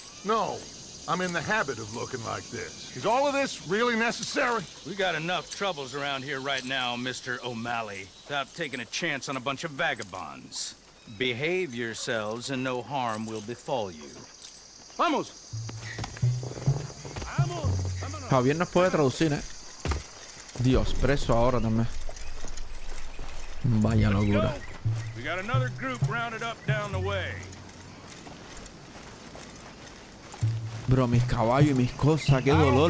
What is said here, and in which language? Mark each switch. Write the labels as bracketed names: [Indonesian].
[English] No, I'm in the habit of looking like this. Is all of this really necessary? We got enough troubles around here right now, Mr. O'Malley, without taking a chance on a bunch of vagabonds. Behave yourselves and no harm will befall you. [Spanish] Vamos! Javier nos puede traducir, Dios, preso ahora también. Vaya locura. [English] We got another group rounded up down the way. [Spanish] Bro, mis caballos y mis cosas, qué dolor,